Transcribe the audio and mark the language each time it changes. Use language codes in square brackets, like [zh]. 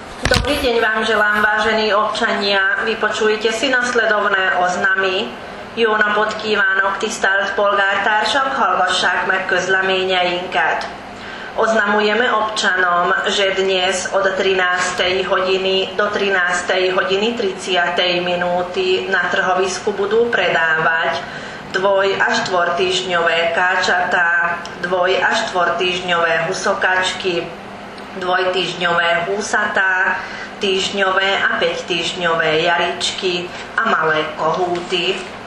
[sk] Dobrý deň vám želám, vážení občania. Vypočujte si nasledovné oznamy. [hu] Jó napot kívánok, tisztelt polgártársak, hallgassák meg közleményeinket. [sk] Oznamujeme občanom, že dnes od 13. hodiny do 13. hodiny 30. minúty na trhovisku budú predávať dvoj- a štvortýždňové káčatá, dvoj- a štvortýždňové husokačky, dvojtýždňové húsatá, týždňové a päťtýždňové jaričky a malé kohúty.